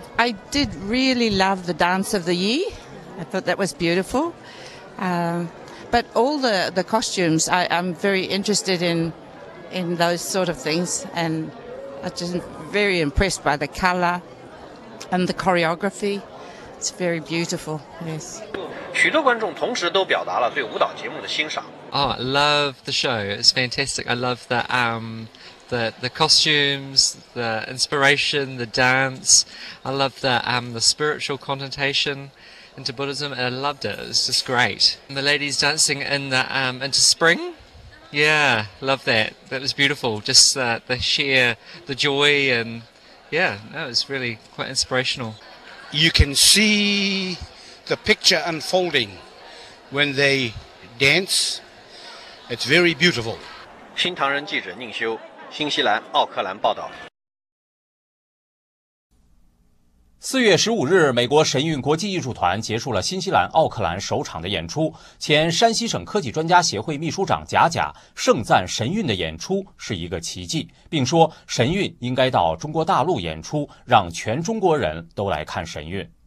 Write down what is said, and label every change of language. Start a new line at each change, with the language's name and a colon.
English: I did really love the dance of the Yi. I thought that was beautiful. But all the costumes, I'm very interested in those sort of things, and I'm just very impressed by the color and the choreography. It's very beautiful, yes.
Chinese: 许多观众同时都表达了对舞蹈节目的欣赏。
English: Oh, I love the show. It's fantastic. I love that, the costumes, the inspiration, the dance. I love that, the spiritual connotation. Into Buddhism, and I loved it. It's just great. And the ladies dancing in the into spring, yeah, love that. That was beautiful. Just the sheer, the joy, and yeah, no, it was really quite inspirational. You can see the picture unfolding when they dance. It's very beautiful.
Chinese: 新唐人记者宁修，新西兰奥克兰报道。 4月15日，美国神韵国际艺术团结束了新西兰奥克兰首场的演出。前山西省科技专家协会秘书长贾贾盛赞神韵的演出是一个奇迹，并说神韵应该到中国大陆演出，让全中国人都来看神韵。